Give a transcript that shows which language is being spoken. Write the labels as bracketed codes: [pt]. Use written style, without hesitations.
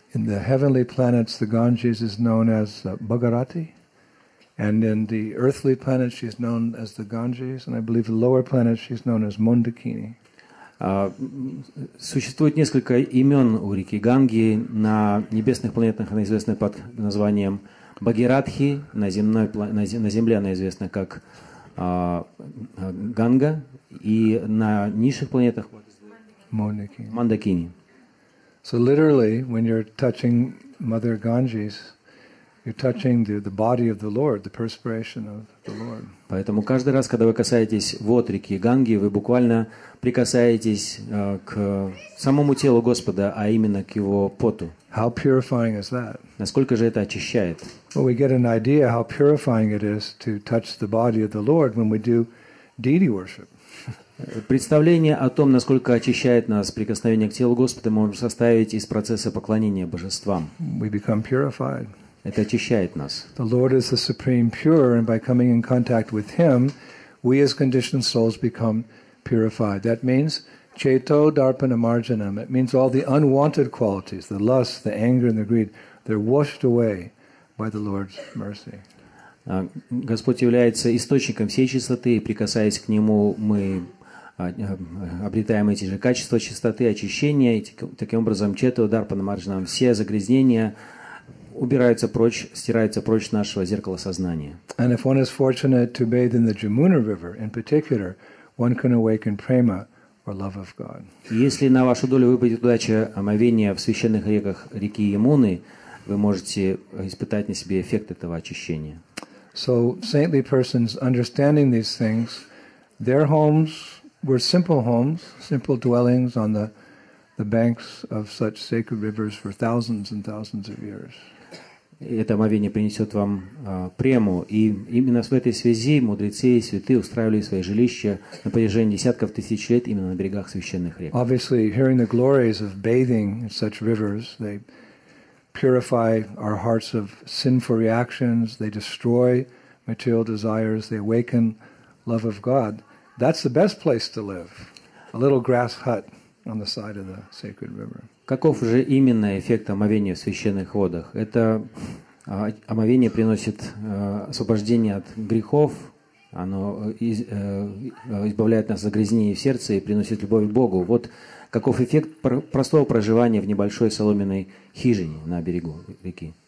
[en] In the heavenly planets, the Ganges is known as Bhagirathi, and in the earthly planets, she's known as the Ganges, and I believe the lower planets, she's known as Mundakini. [ru] Существует несколько имен у реки Ганги. На небесных планетах она известна под названием Бхагиратхи, на земле она известна как Ганга, и на низших планетах Мандакини. [en] So literally, when you're touching Mother Ganges, you're touching the body of the Lord, the perspiration of the Lord. [ru] Поэтому каждый раз, когда вы касаетесь вод реки Ганги, вы буквально прикасаетесь к самому телу Господа, а именно к его поту. [en] How purifying is that? [ru] Насколько же это очищает? [en] Well, we get an idea how purifying it is to touch the body of the Lord when we do deity worship. [ru] Представление о том, насколько очищает нас прикосновение к телу Господа, мы можем составить из процесса поклонения божествам. [en] We become purified. [ru] Это очищает нас. [en] The Lord is the supreme pure, and by coming in contact with Him, we as conditioned souls become purified. That means cheto darpana marjanam. It means all the unwanted qualities, the lust, the anger, and the greed, they're washed away by the Lord's mercy. [ru] Господь является источником всей чистоты, и прикасаясь к Нему, мы обретаем эти же качества чистоты, очищения, и таким образом чето дарпана марджанам, все загрязнения убираются прочь, стираются прочь нашего зеркала сознания. [en] And if one is fortunate to bathe in the Jamuna River in particular, one can awaken prema or love of God. [ru] Если на вашу долю выпадет удача омовения в священных реках реки Ямуны, вы можете испытать на себе эффект этого очищения. [en] So saintly persons understanding these things, their homes were simple homes, simple dwellings on the banks of such sacred rivers for thousands and thousands of years. [ru] Это омовение принесет вам прему. И именно в этой связи мудрецы и святые устраивали свои жилища на протяжении десятков тысяч лет именно на берегах священных рек. [en] Obviously, hearing the glories of bathing in such rivers, they purify our hearts of sinful reactions, they destroy material desires, they awaken love of God. That's the best place to live. A little grass hut on the side of the sacred river. [ru] Каков же именно эффект омовения в священных водах? Это омовение приносит освобождение от грехов, оно избавляет нас от загрязнения в сердце и приносит любовь к Богу. Вот каков эффект простого проживания в небольшой соломенной хижине на берегу реки.